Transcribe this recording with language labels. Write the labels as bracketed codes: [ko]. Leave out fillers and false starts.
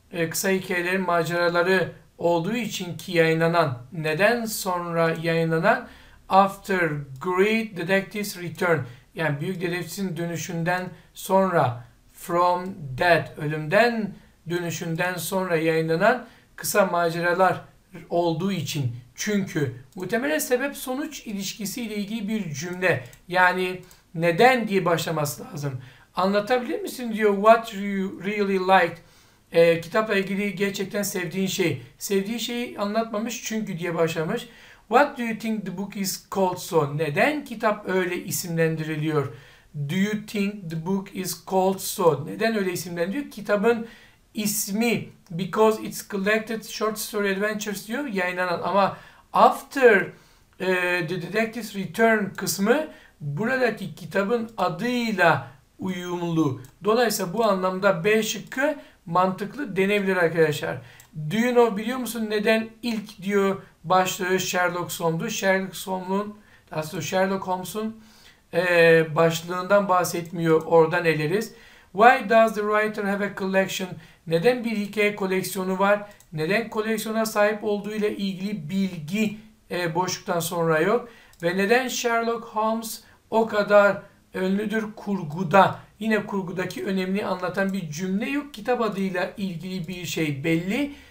[tr] kısa hikayelerin maceraları olduğu için ki yayınlanan neden sonra yayınlanan After Great Detective's Return yani Büyük Dedektif'in dönüşünden sonra From Dead ölümden dönüşünden sonra yayınlanan kısa maceralar olduğu için çünkü muhtemelen sebep sonuç ilişkisiyle ilgili bir cümle yani neden diye başlaması lazım. Anlatabilir misin diyor, [en] what you really liked, [tr] kitapla ilgili gerçekten sevdiğin şey. Sevdiği şeyi anlatmamış çünkü diye başlamış. [en] What do you think the book is called so? [tr] Neden kitap öyle isimlendiriliyor? [en] Do you think the book is called so? [tr] Neden öyle isimlendiriliyor? Kitabın ismi [en] because it's collected short story adventures [tr] diyor, yayınlanan, ama [en] after the detective's return [tr] kısmı buradaki kitabın adıyla uyumlu. Dolayısıyla bu anlamda B şıkkı mantıklı denebilir arkadaşlar. [en] Do you know, [tr] biliyor musun neden ilk diyor başlığı Sherlock Holmes'du? Sherlock Holmes'un başlığından bahsetmiyor. Oradan eleriz. [en] Why does the writer have a collection? [tr] Neden bir hikaye koleksiyonu var? Neden koleksiyona sahip olduğu ile ilgili bilgi boşluktan sonra yok? Ve neden Sherlock Holmes o kadar önlüdür kurguda? Yine kurgudaki önemini anlatan bir cümle yok. Kitap adıyla ilgili bir şey belli.